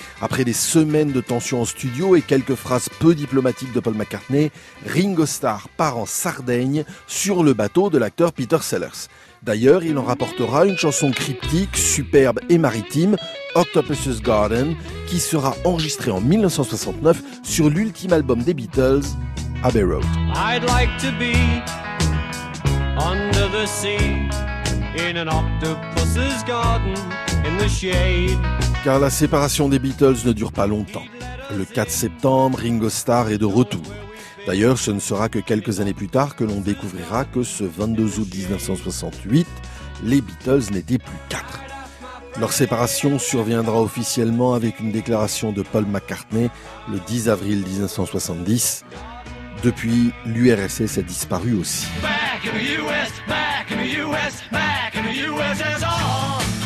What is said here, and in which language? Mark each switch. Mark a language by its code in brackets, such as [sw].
[fr] Après des semaines de tensions en studio et quelques phrases peu diplomatiques de Paul McCartney, Ringo Starr part en Sardaigne sur le bateau de l'acteur Peter Sellers. D'ailleurs, il en rapportera une chanson cryptique, superbe et maritime, Octopus's Garden, qui sera enregistrée en 1969 sur l'ultime album des Beatles, Abbey Road. [en] I'd like to be under the sea. In an octopus's garden, in the shade. [fr] Car la séparation des Beatles ne dure pas longtemps. Le 4 septembre, Ringo Starr est de retour. D'ailleurs, ce ne sera que quelques années plus tard que l'on découvrira que ce 22 août 1968, les Beatles n'étaient plus quatre. Leur séparation surviendra officiellement avec une déclaration de Paul McCartney le 10 avril 1970. Depuis, l'URSS a disparu aussi. [en] Back in the US, back in the US, back in the USSR.